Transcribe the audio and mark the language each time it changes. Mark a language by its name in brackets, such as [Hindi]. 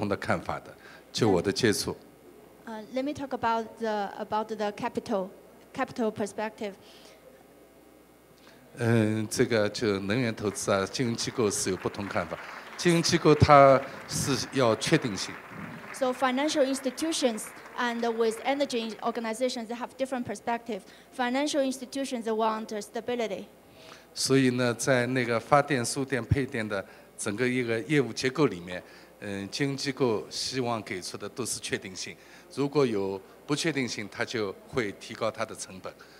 [Chinese] 我说一下对那个资本的看法，就是事实上面现在能源的这个改变，金融机构是有不同的看法的，就我的接触。 [English] Let me talk about the capital perspective. [Chinese] 这个就能源投资啊，金融机构是有不同看法。金融机构它是要确定性。 [English] So financial institutions and with energy organizations they have different perspectives. Financial institutions want stability. [Chinese] 所以呢，在那个发电、输电、配电的整个一个业务结构里面，金融机构希望给出的都是确定性。如果有不确定性，它就会提高它的成本。